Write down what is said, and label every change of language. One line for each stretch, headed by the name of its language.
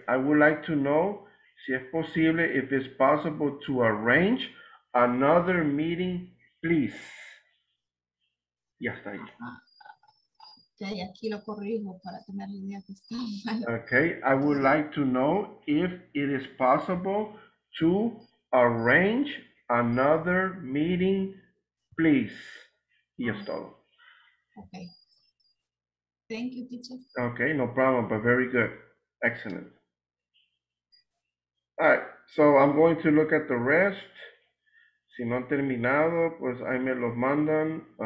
English: I would like to know
Spanish: si es posible,
English: if it's possible to arrange another meeting, please.
Spanish: Y hasta ahí. Okay, aquí lo corrijo para tener la idea que está mal.
English: Okay, I would like to know if it is possible to arrange another meeting, please.
Spanish: Y es todo.
English: Okay. Thank you, teacher. Okay, no problem, but very good. Excellent. All right, so I'm going to look at the rest.
Spanish: Si no han terminado, pues ahí me los mandan.